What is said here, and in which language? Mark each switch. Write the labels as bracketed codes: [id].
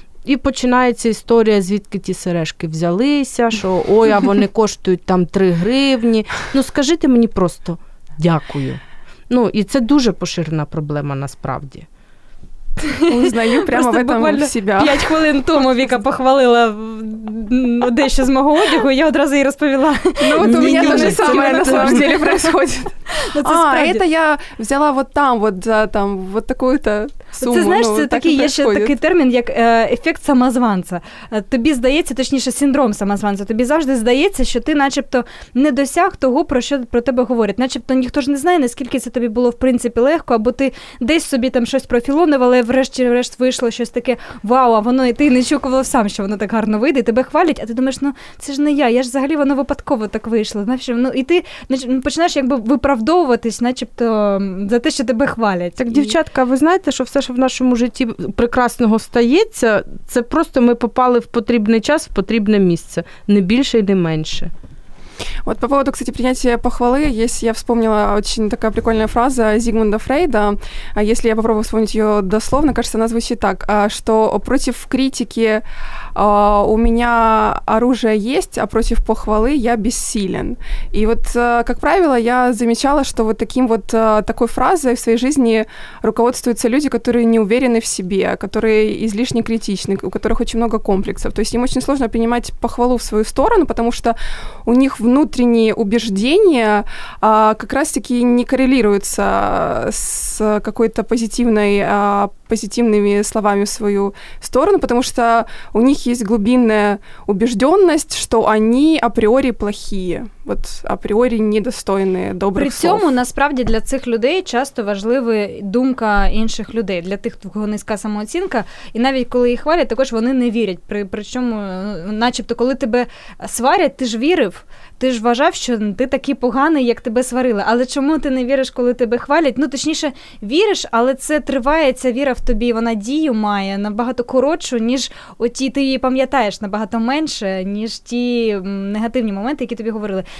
[uk] І починається історія, звідки ті сережки взялися, що ой, а вони коштують там 3 гривні. Ну, скажіть мені просто дякую. Ну, і це дуже поширена проблема насправді. [ru] Узнаю прямо просто в этом буквально себя. [uk] 5 хвилин тому Віка похвалила дещо з мого одягу, я одразу їй розповіла. Ну, от у мене теж саме [ru] на самом деле происходит. Это я взяла вот там, вот за там, вот такую-то суму. [uk] Це, знаєш, це такий є ще такий термін, як ефект самозванця. Тобі здається, точніше, синдром самозванця, тобі завжди здається, що ти начебто не досяг того, про що про тебе говорять. Начебто ніхто ж не знає, наскільки це тобі було, в принципі, легко, або ти десь собі там щось профілонував, але врешті-решт вийшло щось таке вау, а воно, і ти не чукував сам, що воно так гарно вийде, і тебе хвалять, а ти думаєш, ну, це ж не я, я ж взагалі воно випадково так вийшло. Знаєш, ну, і ти починаєш якби виправдовуватись, начебто, за те, що тебе хвалять. Так, дівчатка, ви знаєте, що все, що в нашому житті прекрасного стається, це просто ми попали в потрібний час, в потрібне місце, не більше і не менше. [ru] Вот по поводу, кстати, принятия похвалы, есть, я вспомнила очень такая прикольная фраза Зигмунда Фрейда, если я попробую вспомнить ее дословно, кажется, она звучит так, что против критики у меня оружие есть, а против похвалы я бессилен. И вот, как правило, я замечала, что вот таким вот такой фразой в своей жизни руководствуются люди, которые не уверены в себе, которые излишне критичны, у которых очень много комплексов. То есть им очень сложно принимать похвалу в свою сторону, потому что у них внутренние убеждения как раз-таки не коррелируются с какой-то позитивной, позитивными словами в свою сторону, потому что у них есть глубинная убежденность, что они априори плохие, вот априори недостойные добрых слов. [uk] При цьому, насправді, для цих людей часто важлива думка інших людей, для тих, кого низька самооцінка, і навіть коли їх хвалять, також вони не вірять. Причому, начебто, коли тебе сварять, ти ж вірив, ти ж вважав, що ти такий поганий, як тебе сварили. Але чому ти не віриш, коли тебе хвалять? Ну, точніше, віриш, але це триває, ця віра в тобі, вона дію має набагато коротшу, ніж оті, ти її пам'ятаєш набагато менше, ніж ті негативні моменти, які тобі говорили.